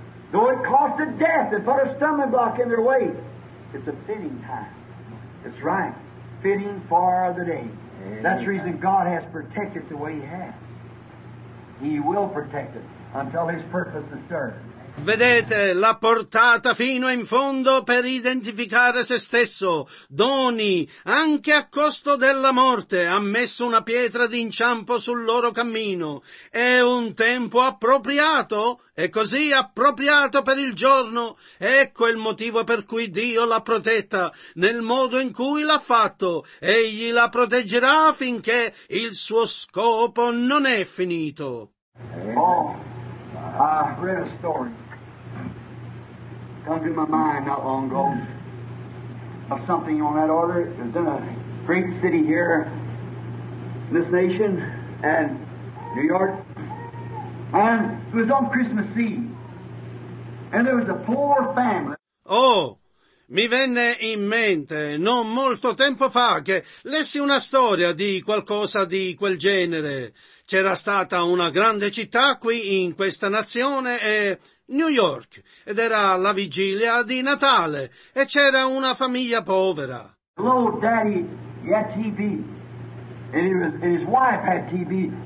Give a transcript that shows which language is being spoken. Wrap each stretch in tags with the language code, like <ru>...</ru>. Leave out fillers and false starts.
<en>Though it cost a death and put a stumbling block in their way, it's a fitting time. It's right. Fitting for the day. Amen. That's the reason God has protected the way he has. He will protect it until his purpose is served.</en> <it>Vedete, l'ha portata fino in fondo per identificare se stesso. Doni, anche a costo della morte, ha messo una pietra d'inciampo sul loro cammino. È un tempo appropriato? È così appropriato per il giorno? Ecco il motivo per cui Dio l'ha protetta nel modo in cui l'ha fatto. Egli la proteggerà finché il suo scopo non è finito.</it> <en>Oh, I read a story. Come to my mind not long ago of something on that order. It was in a great city here in this nation and New York. And it was on Christmas Eve. And there was a poor family. Oh!</en> <it>Mi venne in mente, non molto tempo fa, che lessi una storia di qualcosa di quel genere. C'era stata una grande città qui in questa nazione, New York, ed era la vigilia di Natale, e c'era una famiglia povera.</it> <en>Hello, Daddy, had TB, and he was, and his wife had TB.</en>